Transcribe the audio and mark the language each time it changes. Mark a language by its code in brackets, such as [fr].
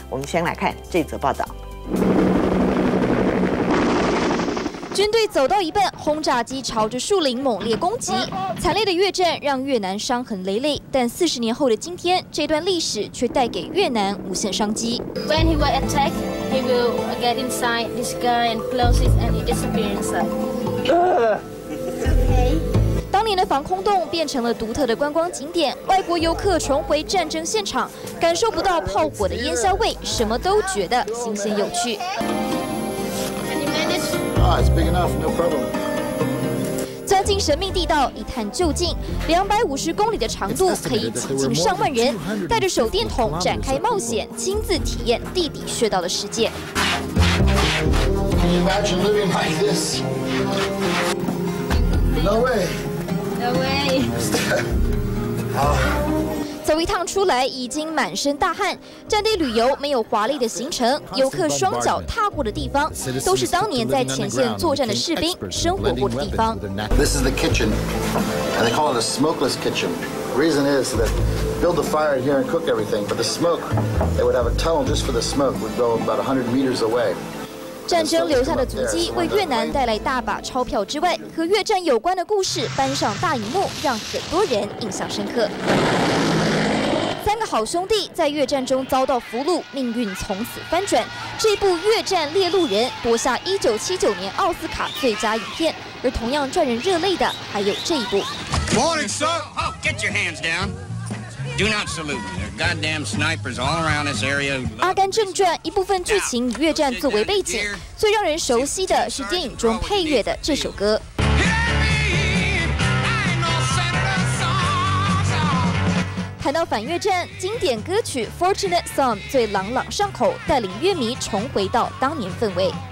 [zh] 我们先来看这则报道。军队走到一半，轰炸机朝着树林猛烈攻击，惨烈的越战让越南伤痕累累，但40年后的今天，这段历史却带给越南无限商机。 [en] When he will attack, he will get inside this guy and close it and he disappears inside. It's okay. [zh] 当年的防空洞变成了独特的观光景点，外国游客重回战争现场，感受不到炮火的烟硝味，什么都觉得新鲜有趣。钻进神秘地道一探究竟，250公里的长度可以挤进上万人，带着手电筒展开冒险，亲自体验地底穴道的世界。走一趟出来已经满身大汗，战地旅游没有华丽的行程，游客双脚踏过的地方都是当年在前线作战的士兵生活过的地方。 [en] This is the kitchen and they call it a smokeless kitchen. Reason is that build the fire here and cook everything, but the smoke, they would have a tunnel just for the smoke would go about 100 meters away. [zh] 战争留下的足迹为越南带来大把钞票之外，和越战有关的故事搬上大荧幕，让很多人印象深刻。三个好兄弟在越战中遭到俘虏，命运从此翻转。这部《越战猎鹿人》夺下1979年奥斯卡最佳影片，而同样赚人热泪的还有这一部。 [en] Morning, sir. Oh, get your hands down. Do not salute. There are goddamn snipers all around this area. [zh] 阿甘正传一部分剧情以越战作为背景，最让人熟悉的是电影中配乐的这首歌。谈到反越战，经典歌曲《Fortunate Son》最朗朗上口，带领乐迷重回到当年氛围。